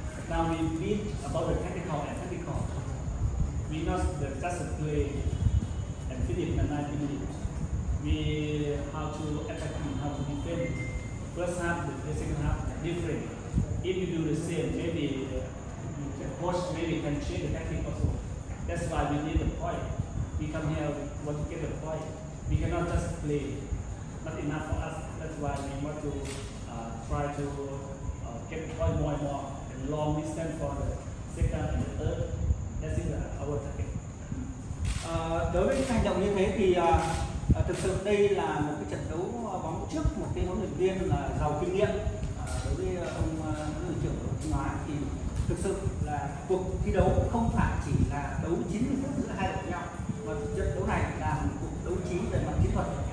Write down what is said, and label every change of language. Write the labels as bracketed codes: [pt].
[en] About the technical and tactical, we must just play and [vi] cái điểm năm nay thì [en] we how to attack and how to defend. First half and the second half are different. If you do the same, maybe the coach maybe can change the tactic also. That's why we need a point. We come here, we want to get a point. We cannot just play. Not enough for us. That's why we want to try to get point more and more and long distance for the second and the third. That's it, our target. [vi] Đối với hành động như thế thì thực sự đây là một cái trận đấu bóng trước một cái huấn luyện viên là giàu kinh nghiệm. Đối với ông huấn luyện trưởng đội Thanh Hóa thì thực sự là cuộc thi đấu không phải chỉ là đấu 90 phút giữa hai đội nhau, mà trận đấu này là một cuộc đấu trí về mặt chiến thuật.